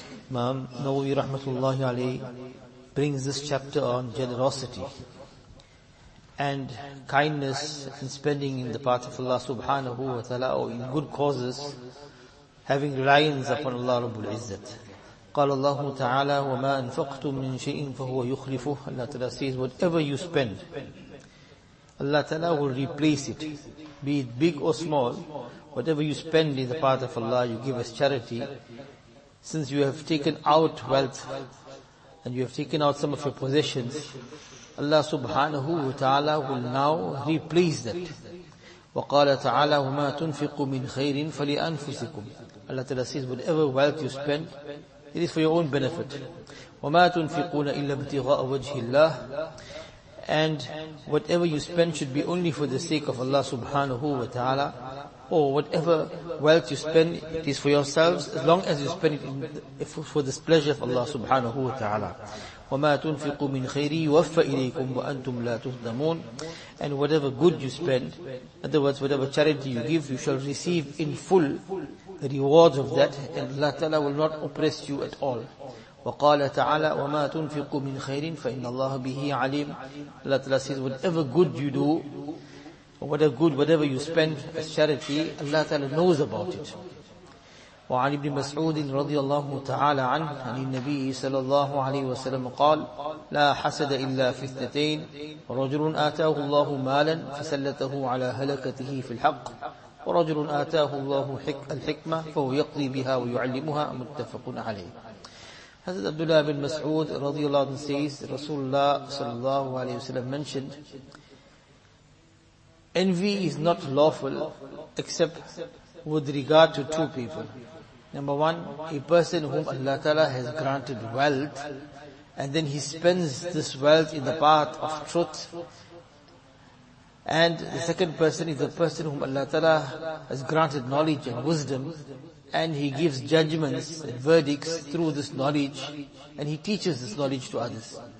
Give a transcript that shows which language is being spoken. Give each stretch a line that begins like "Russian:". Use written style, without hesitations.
English: Imam Nawawi rahmatullahi alayhi brings this chapter on generosity and kindness and spending in the path of Allah subhanahu wa ta'ala or in good causes, having reliance upon Allah Rabbul Izzat.
Arabic: قال الله تعالى وما أنفقتم من شيء فهو يخلفه.
English: Allah Ta'ala says, whatever you spend, Allah Ta'ala will replace it, be it big or small. Whatever you spend in the path of Allah, you give as charity. Since you have taken out wealth and you have taken out some of your possessions, Allah Subhanahu wa Ta'ala will now replace that.
Arabic: وقال تعالى وما تنفقوا من خير فلأنفسكم.
English: Allah Ta'ala says, whatever wealth you spend, it is for your own benefit.
Arabic: وَمَا تُنْفِقُونَ إِلَّا ابْتِغَاءَ وَجْهِ اللَّهِ.
English: And whatever you spend should be only for the sake of Allah subhanahu wa ta'ala. Or whatever wealth you spend, it is for yourselves, as long as you spend it for the pleasure of Allah subhanahu wa ta'ala.
Arabic: وَمَا تُنْفِقُوا مِنْ خَيْرِي يُوَفَّ إِلَيْكُمْ وَأَنْتُمْ لَا تُهْدَمُونَ.
English: And whatever good you spend, in other words, whatever charity you give, you shall receive in full the rewards of that, and Allah Ta'ala will not oppress you at all.
Arabic: وَقَالَ تَعَالَى وَمَا تُنْفِقُوا مِنْ خَيْرٍ فَإِنَّ اللَّهَ بِهِ عَلِيمٌ.
English: Allah Ta'ala says, whatever good you do, whatever good, whatever you spend as charity, Allah Ta'ala knows about it.
Arabic: وَعَنِ ابْنِ مَسْعُودٍ رَضِيَ اللَّهُ تَعَالَى عَنْهُ عَنِ النَّبِيِّ صَلَى اللَّهُ عَلَيْهِ وَسَلَّمَ قَالَ لَا حَسَدَ إِلَّا فِي اثْنَتَيْنِ رَجُلٌ آتَاهُ اللَّهُ مَالًا فَسَلَّتَهُ عَلَى هَلَكَتِهِ فِي الْحَقِّ ورجل آتاه الله الحكمة فهو يقضي بها ويعلمها متفق عليه.
English: حضرت عبد الله بن مسعود رضي الله عنه says, رسول الله صلى الله عليه وسلم mentioned, envy is not lawful except with regard to two people. Number one, a person whom Allah Ta'ala has granted wealth and then he spends this wealth in the path of truth. And the second person is the person whom Allah Ta'ala has granted knowledge and wisdom, and he gives judgments and verdicts through this knowledge, and he teaches this knowledge to others.